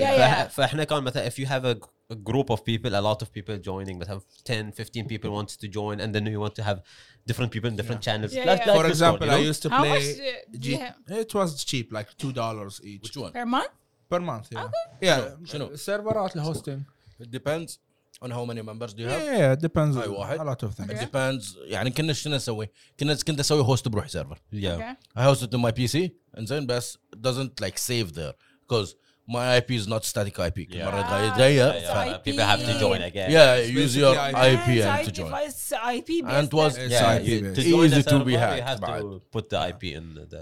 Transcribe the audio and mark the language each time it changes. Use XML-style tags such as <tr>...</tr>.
<en>If you have a group of people, a lot of people joining, but have 10 15 people want to join, and then you want to have different people in different channels. Like for example, you know? I used to it was cheap, like $2 each. Which one? per month Server or hosting, it depends on how many members do you have. Yeah, it depends. A lot of things. It depends.</en> <ar>يعني كنا شو نسوي؟ كنت أسوي host بروح server.</ar> <en>Yeah. I host it on my PC and then بس doesn't like save there because my IP is not static IP. People have to join again. Yeah, use your IP and to join. It's IP based. And it was easy to be hacked. You have to put the IP in the.</en>